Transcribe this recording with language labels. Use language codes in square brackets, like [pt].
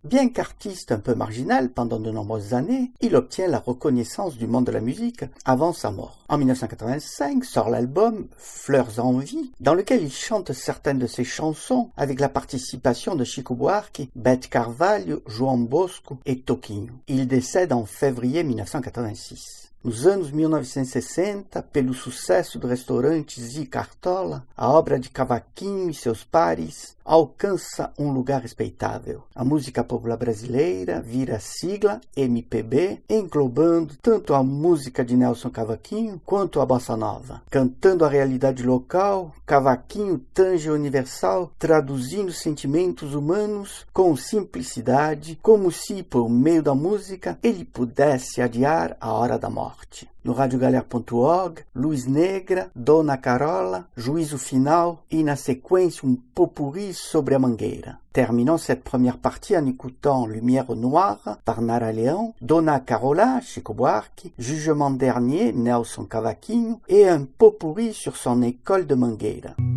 [fr] Bien qu'artiste un peu marginal pendant de nombreuses années, il obtient la reconnaissance du monde de la musique avant sa mort. En 1985, sort l'album Fleurs en vie, dans lequel il chante certaines de ses chansons avec la participation de Chico Buarque, Beth Carvalho, João Bosco et Toquinho. Il décède en février 1986. [pt] Nos anos 1960, pelo sucesso do restaurante Zi Cartola, a obra de Cavaquinho e seus pares alcança um lugar respeitável. A música popular brasileira vira sigla MPB, englobando tanto a música de Nelson Cavaquinho quanto a bossa nova. Cantando a realidade local, Cavaquinho tange o universal, traduzindo sentimentos humanos com simplicidade, como se, por meio da música, ele pudesse adiar a hora da morte. No radiogalera.org, Luz Negra, Dona Carola, Juízo Final e, na sequência, um popurri sobre a mangueira. [fr] Terminons cette première partie en écoutant Lumière Noire par Nara Leão, Dona Carola, Chico Buarque, Jugement Dernier, Nelson Cavaquinho et un popurri sur son école de mangueira.